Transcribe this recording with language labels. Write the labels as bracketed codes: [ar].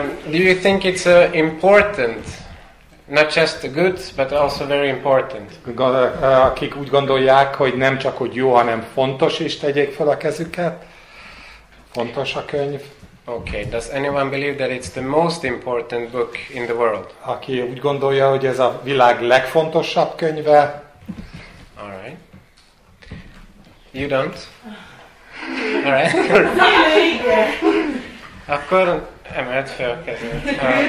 [en] Do you think it's important, not just the good, but also very important? [hu] Akik úgy gondolják, hogy nem csak hogy jó, hanem fontos is, tegyék fel a kezüket. Fontos a könyv. [en] Okay. Does anyone believe that it's the most important book in the world? [hu] Aki úgy gondolja, hogy ez a világ legfontosabb könyve. [en] All right. You don't. All right. [hu] Akkor emelt fel a kezdet.